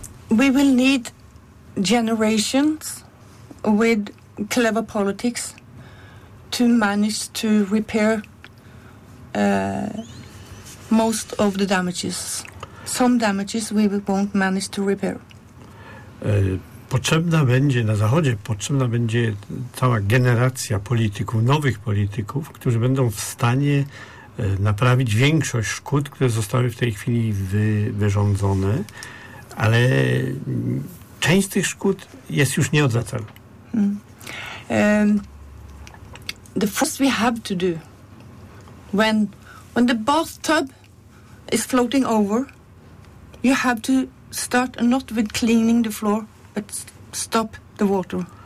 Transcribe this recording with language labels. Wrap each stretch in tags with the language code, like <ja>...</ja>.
<en>We will need generations with clever politics to manage to repair most of the damages. Some damages we won't manage to repair.</en> <pl>Potrzebna będzie na Zachodzie, potrzebna będzie cała generacja polityków, nowych polityków, którzy będą w stanie naprawić większość szkód, które zostały w tej chwili wyrządzone. Ale część tych szkód jest już nieodwracalna.</pl> <en>The first we have to do when the bathtub is floating over, you have to start not with cleaning the floor, but stop the water.</en>